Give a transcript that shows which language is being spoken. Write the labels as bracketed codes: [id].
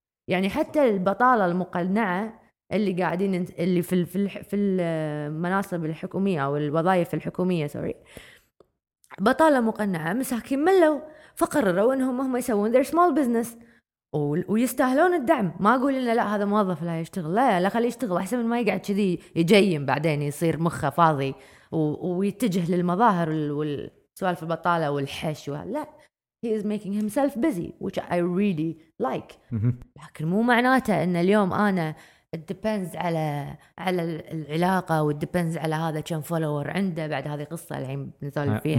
[ar] يعني حتى البطالة المقنعة اللي قاعدين اللي في في في المناصب الحكومية أو الوظائف الحكومية، سوري، بطالة مقنعة، مساكين ملوا فقرروا إنهم هم يسوون [en] their small business [ar] ويستاهلون الدعم. ما أقول إنه لا هذا موظف لا يشتغل، لا خليه يشتغل أحسن من ما يقعد كذي يجيم بعدين يصير مخه فاضي ويتجه للمظاهر والسوالف البطالة والحش، لا [en] he is making himself busy, which I really like. [ar] لكن مو معناته إن اليوم أنا [en] it depends [ar] على العلاقة والdepends على هذا كم follower عنده. بعد هذه قصة الحين نزال فيها